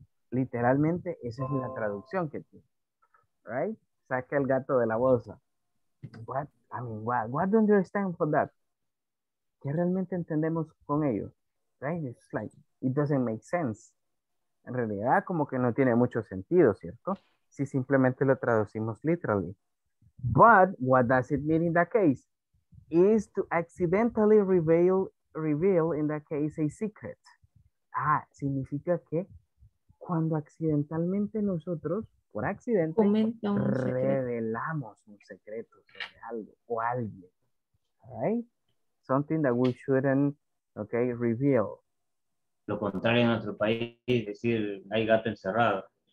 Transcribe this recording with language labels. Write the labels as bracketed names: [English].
[Spanish] Literalmente, esa es la traducción que tiene. [English] Right? [Spanish] Saque el gato de la bolsa. [English] What don't you understand for that? [Spanish] ¿Qué realmente entendemos con ello? [English] Right? It's like, it doesn't make sense. [Spanish] En realidad, como que no tiene mucho sentido, ¿cierto? Si simplemente lo traducimos [English] literally. But what does it mean in that case? Is to accidentally reveal in that case a secret. [Spanish] Ah, significa que cuando accidentalmente nosotros, por accidente, revelamos un secreto sobre algo o alguien. [English] Right? Something that we shouldn't, okay, reveal. [Spanish] Lo contrario en nuestro país, es decir, hay gato encerrado.